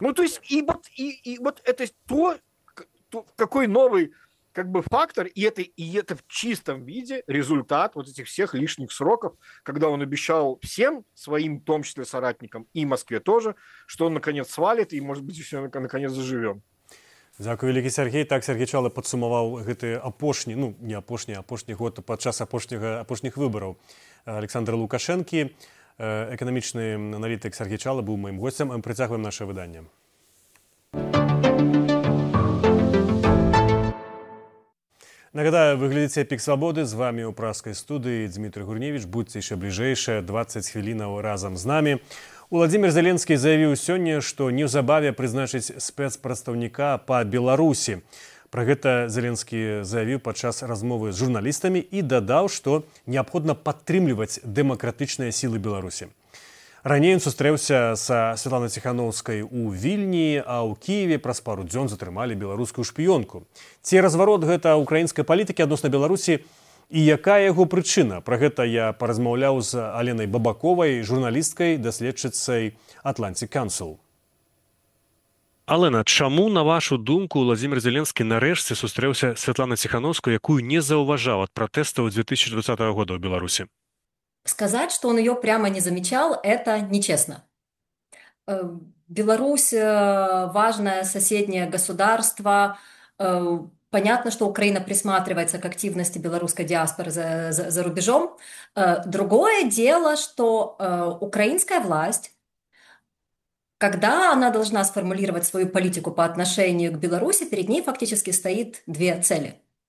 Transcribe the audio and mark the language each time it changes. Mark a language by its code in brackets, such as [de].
[ru] Ну, то есть, и вот это то, какой новый, как бы, фактор, и это в чистом виде результат вот этих всех лишних сроков, когда он обещал всем своим, в том числе соратникам, и Москве тоже, что он, наконец, свалит, и, может быть, все, наконец, заживем. [be] Дякую, великий Сергей. Так, Сергей Чалы подсумовал гэты апошні год, падчас апошніх выбораў Александра Лукашэнкі. Эканамічны аналітык Сергей Чалы быў маім гостем. Мы працягваем наше выданне. Нагадаю, вы глядзіце «Пік свабоды». З вамі ў пражскай студыі Дмітрый Гурневіч. Будзьце яшчэ бліжэйшыя 20 хвілінаў разам з намі. Уладзімир Зеленскі заявіў сёння, што неўзабаве прызначыць спецпрадстаўніка па Беларусі. Пра гэта Зеленскі заявіў падчас размовы з журналістамі і дадаў, што неабходна падтрымліваць дэмакратычныя сілы Беларусі. Раней ён сустрэўся са Светланай Ціхановскай у Вільні, а ў Кіеве праз пару дзён затрымалі беларускую шпіёнку. Ці разварот гэта ўкраінскай палітыкі адносна Беларусі і якая яго прычына? Пра гэта я паразмаўляў з Аленай Бабаковай, журналісткай, даследчыцай Atlantic Council. Алена, чаму, на вашу думку, Уладзімір Зеленскі нарэшце сустрэўся Светланай Ціхановскай, якую не заўважаў ад пратэстаў 2020 года ў Беларусі? [ru] Сказать, что он ее прямо не замечал, это нечестно. Беларусь – важное соседнее государство. Понятно, что Украина присматривается к активности белорусской диаспоры за рубежом. Другое дело, что украинская власть, когда она должна сформулировать свою политику по отношению к Беларуси, перед ней фактически стоит две цели.